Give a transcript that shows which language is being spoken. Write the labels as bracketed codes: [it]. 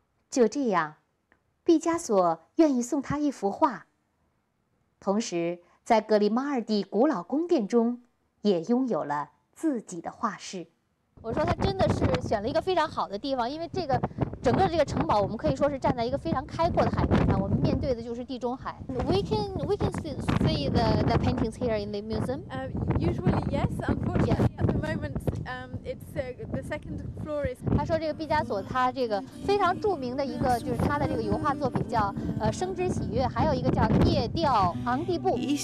[zh] 就这样，毕加索愿意送他一幅画，同时在格里马尔蒂古老宫殿中也拥有了自己的画室。我说他真的是选了一个非常好的地方，因为这个整个这个城堡我们可以说是站在一个非常开阔的海面上，我们面对的就是地中海。 [en] We can see the paintings here in the museum? Usually yes, unfortunately、yeah. at the moment、it's the second floor is... [zh] 他说这个毕加索他这个非常著名的一个就是他的这个油画作品叫生之喜悦，还有一个叫夜钓昂蒂布。